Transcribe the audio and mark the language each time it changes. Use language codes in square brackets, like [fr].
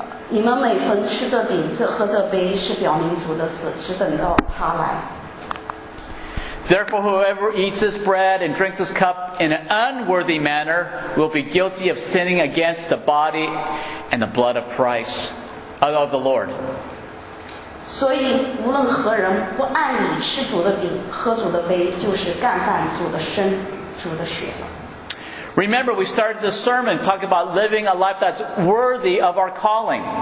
[zh] 你们每逢吃这饼，这喝这杯，是表明主的死，只等到他来。 [en] Therefore, whoever eats this bread and drinks this cup in an unworthy manner will be guilty of sinning against the body and the blood of Christ, of the Lord. [zh] 所以，无论何人不按理吃主的饼，喝主的杯，就是干犯主的身，主的血了。 [en] Remember, we started the sermon talking about living a life that's worthy of our calling.